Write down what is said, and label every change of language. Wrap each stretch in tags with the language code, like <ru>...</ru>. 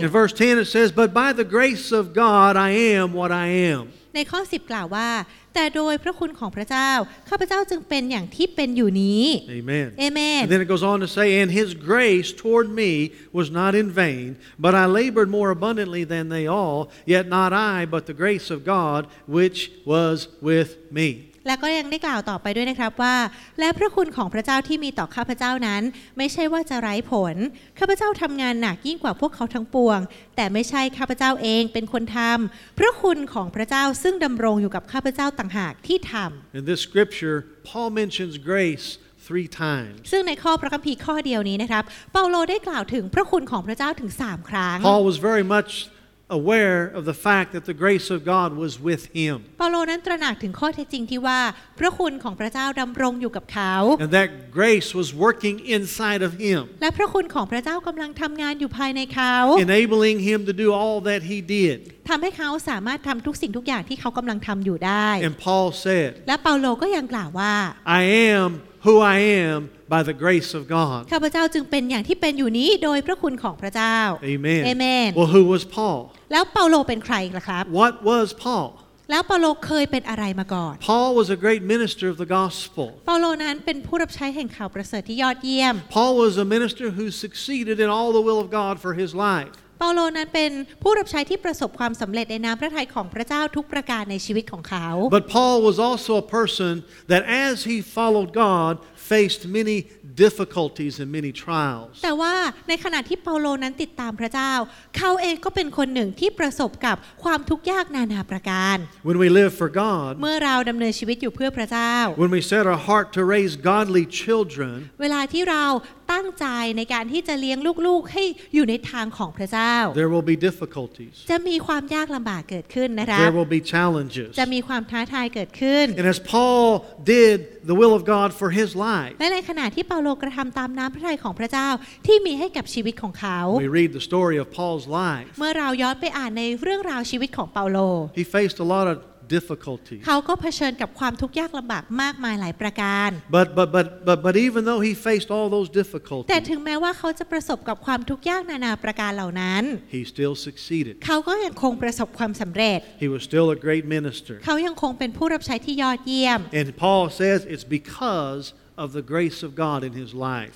<en>In verse 10 it says but by the grace of God I am what I am</en> <th>ในข้อ10กล่าวว่าแต่โดยพระคุณของพระเจ้าข้าพเจ้าจึงเป็นอย่างที่เป็นอยู่นี้</th> <en>Amen Amen And then it goes on to say and his grace toward me was not in vain but I labored more abundantly than they all yet not I but the grace of God which was with me</en> <th>แล้วก็ยังได้กล่าวต่อไปด้วยนะครับว่าและพระคุณของพระเจ้าที่มีต่อข้าพเจ้านั้นไม่ใช่ว่าจะไร้ผลข้าพเจ้าทำงานหนักยิ่งกว่าพวกเขาทั้งปวงแต่ไม่ใช่ข้าพเจ้าเองเป็นคนทำพระคุณของพระเจ้าซึ่งดำรงอยู่กับข้าพเจ้าต่างหากที่ทำ</th> <en>In this scripture Paul mentions grace three times</en> <th>ซึ่งในข้อพระคัมภีร์ข้อเดียวนี้นะครับเปาโลได้กล่าวถึงพระคุณของพระเจ้าถึง3ครั้ง</th> <en>Paul was very muchaware of the fact that the grace of God was with him.</en> <th>เปาโลนั้นตระหนักถึงข้อเท็จจริงที่ว่าพระคุณของพระเจ้าดำรงอยู่กับเขา</th> <en>And that grace was working inside of him.</en> <th>และพระคุณของพระเจ้ากำลังทำงานอยู่ภายในเขา</th> <en>enabling him to do all that he did.</en> <th>ทำให้เขาสามารถทำทุกสิ่งทุกอย่างที่เขากำลังทำอยู่ได้</th> <en>And Paul said.</en> <th>และเปาโลก็ยังกล่าวว่า</th> <en>I am who I am. By the grace of God.</en> <th>ข้าพเจ้าจึงเป็นอย่างที่เป็นอยู่นี้โดยพระคุณของพระเจ้า</th> <en>Amen. Amen. Well, who was Paul?</en> <th>แล้วเปาโลเป็นใครล่ะครับ</th> <en>What was Paul?</en> <th>แล้วเปาโลเคยเป็นอะไรมาก่อน</th> <en>Paul was a great minister of the gospel</en> <th>เปาโลนั้นเป็นผู้รับใช้แห่งข่าวประเสริฐที่ยอดเยี่ยม</th> <en>Paul was a minister who succeeded in all the will of God for his life</en> <th>เปาโลนั้นเป็นผู้รับใช้ที่ประสบความสำเร็จในนามพระทัยของพระเจ้าทุกประการในชีวิตของเขา</th> <en>But Paul was also a person that as he followed God faced many difficulties and many trials.</en> <th>แต่ว่าในขณะที่เปาโลนั้นติดตามพระเจ้าเขาเองก็เป็นคนหนึ่งที่ประสบกับความทุกข์ยากนานาประการ</th> <en>When we live for God</en> <th>เมื่อเราดำเนินชีวิตอยู่เพื่อพระเจ้า</th> <en>When we set our heart to raise godly children</en> <th>เวลาที่เราตั้งใจในการที่จะเลี้ยงลูกๆให้อยู่ในทางของพระเจ้า</th> <en>There will be difficulties</en> <th>จะมีความยากลำบากเกิดขึ้นนะคะ</th> <en>There will be challenges</en> <th>จะมีความท้าทายเกิดขึ้น</th> <en>And as Paul did the will of God for his life</en> <th>และในขณะที่เปาโลกระทำตามน้ำพระทัยของพระเจ้าที่มีให้กับชีวิตของเขา</th> <en>We read the story of Paul's life</en> <th>เมื่อเราย้อนไปอ่านในเรื่องราวชีวิตของเปาโล</th> <en>He faced a lot of difficulties</en> <th>เขาก็เผชิญกับความทุกข์ยากลำบากมากมายหลายประการ</th> <en>But even though he faced all those difficulties</en> <th>แต่ถึงแม้ว่าเขาจะประสบกับความทุกข์ยากนานาประการเหล่านั้น</th> <en>He still succeeded</en> <th>เขาก็ยังคงประสบความสำเร็จ</th> <en>He was still a great minister</en> <th>เขายังคงเป็นผู้รับใช้ที่ยอดเยี่ยม</th> <en>And Paul says it's becauseOf the grace of God in his life.</en>